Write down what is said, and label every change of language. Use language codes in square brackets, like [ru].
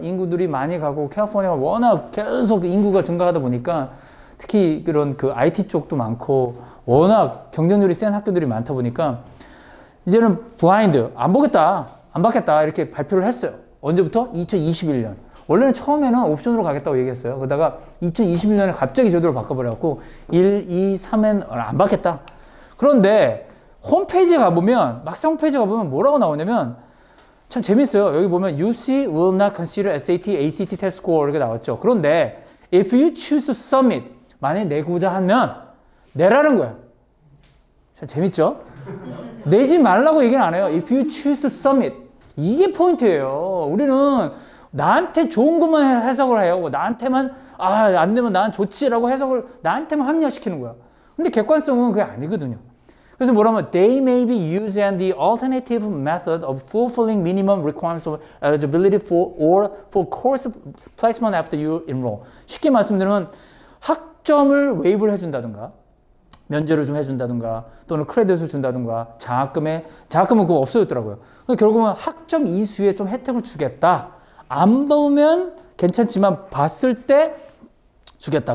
[ko] 인구들이 많이 가고 캘리포니아가 워낙 계속 인구가 증가하다 보니까 특히 그런 그 IT 쪽도 많고 워낙 경쟁률이 센 학교들이 많다 보니까 이제는 블라인드 안 보겠다 안 받겠다 이렇게 발표를 했어요. 언제부터? 2021년 원래는 처음에는 옵션으로 가겠다고 얘기했어요. 그러다가 2021년에 갑자기 제도를 바꿔버려갖고 1, 2, 3엔 안 받겠다. 그런데 홈페이지에 가보면 막상 홈페이지에 가보면 뭐라고 나오냐면 참 재밌어요. 여기 보면 [en] UC will not consider SAT, ACT test score [ko] 이렇게 나왔죠. 그런데 [en] if you choose to submit [ko] 만약에 내고자 하면 내라는 거야. 참 재밌죠? 내지 말라고 얘기는 안 해요. [en] If you choose to submit. [ko] 이게 포인트예요. 우리는 나한테 좋은 것만 해석을 해요. 나한테만, 아, 안 되면 난 좋지라고 해석을 나한테만 합리화시키는 거야. 근데 객관성은 그게 아니거든요. 그래서 뭐라면, [en] they may be using the alternative method of fulfilling minimum requirements of eligibility for course placement after you enroll. [ko] 쉽게 말씀드리면, 학점을 웨이브를 해준다든가, 면제를 좀 해준다든가 또는 크레딧을 준다든가 장학금은 그거 없어졌더라고요. 결국은 학점 이수에 좀 혜택을 주겠다. 안 보면 괜찮지만 봤을 때 주겠다.